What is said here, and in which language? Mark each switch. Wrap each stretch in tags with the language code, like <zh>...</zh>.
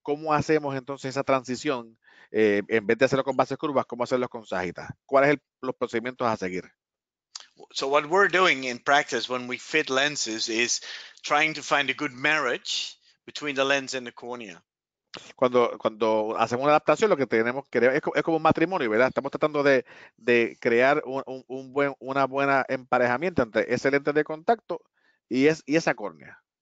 <es>¿Cómo hacemos entonces esa transición? En vez de hacerlo con bases curvas, ¿cómo hacerlo con sagitas? ¿Cuáles son los procedimientos a seguir?</es> <en>So what we're doing in practice when we fit lenses is trying to find a good marriage between the lens and the cornea.</en> <es>Cuando hacemos una adaptación, lo que tenemos que crear es como un matrimonio, ¿verdad? Estamos tratando de crear una buena emparejamiento entre ese lente de contacto y esa córnea.</es>